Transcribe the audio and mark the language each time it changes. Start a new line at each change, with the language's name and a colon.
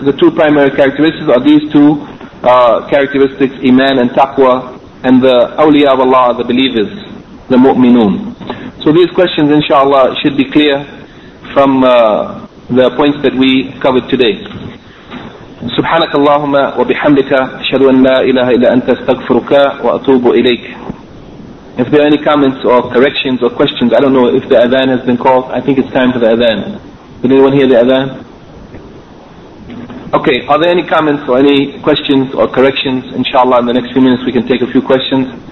English: The two primary characteristics are these two characteristics, iman and taqwa, and the awliya of Allah, the believers, the mu'minun. So these questions, inshallah, should be clear from the points that we covered today.
Arabic: سبحانك اللهم وبحمدك أشهد أن لا إله إلا أنت استغفرك وأتوب إليك.
English: If there are any comments or corrections or questions, I don't know if the adhan has been called. I think it's time for the adhan. Did anyone hear the adhan? Okay, are there any comments or any questions or corrections? Inshallah, in the next few minutes we can take a few questions.